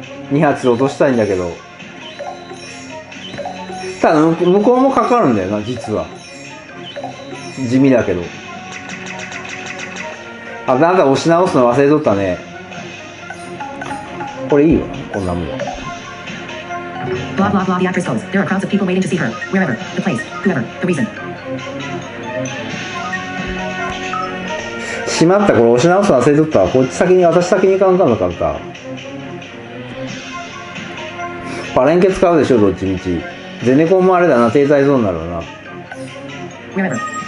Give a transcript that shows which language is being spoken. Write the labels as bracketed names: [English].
[Japanese] 2発落としたいんだけど、ただ向こうもかかるんだよな実は。地味だけど、あ、なんか押し直すの忘れとったね。これいいわ、こんなもん。 [English] blah blah blah the actress goes. There are crowds of people waiting to see her. Wherever, the place, whoever, the reason. [Japanese] しまった、これ押し直すの忘れとった。こっち先に、私先に行かんかった。パレンケ使うでしょ、どっちみち。ゼネコンもあれだな、停滞ゾーンだろうな。 [English] Wherever.